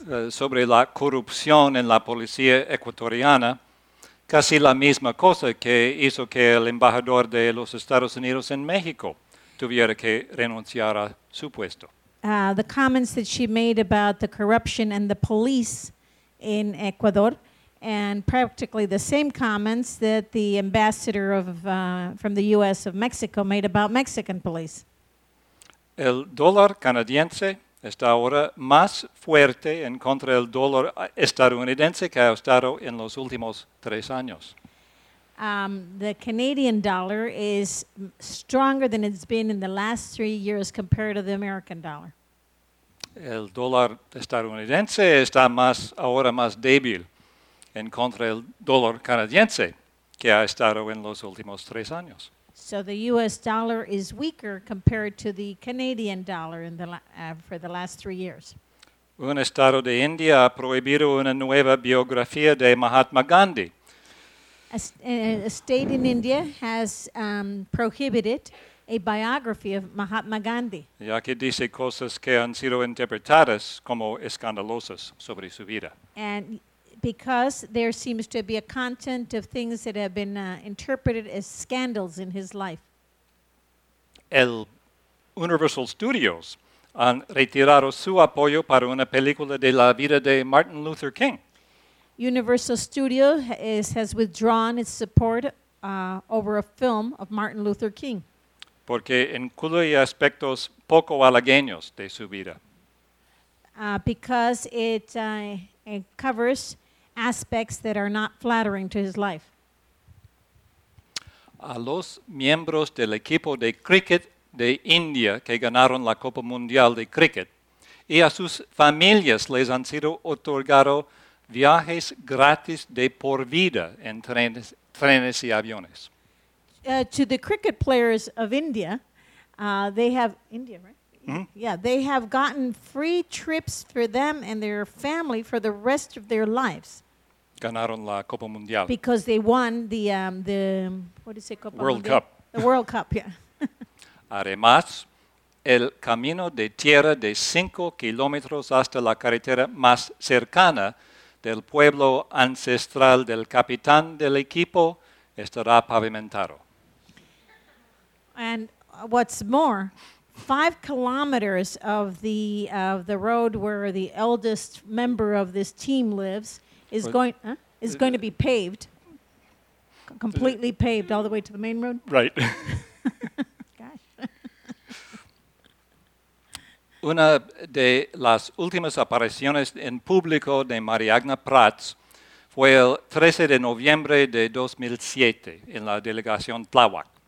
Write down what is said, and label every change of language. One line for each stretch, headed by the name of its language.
Spanish: Sobre la corrupción en la policía ecuatoriana, casi la misma cosa que hizo que el embajador de los Estados Unidos en México tuviera que renunciar a su puesto.
English: The comments that she made about the corruption and the police in Ecuador, and practically the same comments that the ambassador from the U.S. of Mexico made about Mexican police.
Spanish: El dólar canadiense está ahora más fuerte en contra del dólar estadounidense que ha estado en los últimos 3 años.
English: The Canadian dollar is stronger than it's been in the last 3 years compared to the American dollar.
Spanish: El dólar estadounidense está ahora más débil en contra del dólar canadiense que ha estado en los últimos 3 años.
English: So the U.S. dollar is weaker compared to the Canadian dollar for the last 3 years.
Spanish: Un estado de India ha prohibido una nueva biografía de Mahatma Gandhi.
English: A state in India has prohibited a biography of Mahatma Gandhi.
Spanish: Ya que dice cosas que han sido interpretadas como escandalosas sobre su vida.
English: And because there seems to be a content of things that have been interpreted as scandals in his life.
Spanish: El Universal Studios han retirado su apoyo para una película de la vida de Martin Luther King.
English: Universal Studios has withdrawn its support over a film of Martin Luther King.
Spanish: Porque incluye aspectos poco halagüeños de su vida.
English: Because it covers aspects that are not flattering to his life.
Spanish: A los miembros del equipo de cricket de India que ganaron la Copa Mundial de Cricket y a sus familias les han sido otorgados viajes gratis de por vida en trenes y aviones.
English: To the cricket players of India, they have India, right? Mm-hmm. Yeah, they have gotten free trips for them and their family for the rest of their lives.
Spanish: ganaron la Copa Mundial.
English: Because they won the what is it,
Spanish: Copa
English: World
Spanish: Mundial?
English: Cup. The World Cup, yeah.
Spanish: Además, el camino de tierra de 5 kilómetros hasta la carretera más cercana del pueblo ancestral del capitán del equipo estará pavimentado.
English: And what's more, 5 kilometers of the road where the eldest member of this team lives is going to be paved, completely paved all the way to the main road. Right. Gosh.
Spanish: Una de las últimas apariciones en público de Mariagna Prats fue el 13 de noviembre de 2007 en la delegación Tláhuac.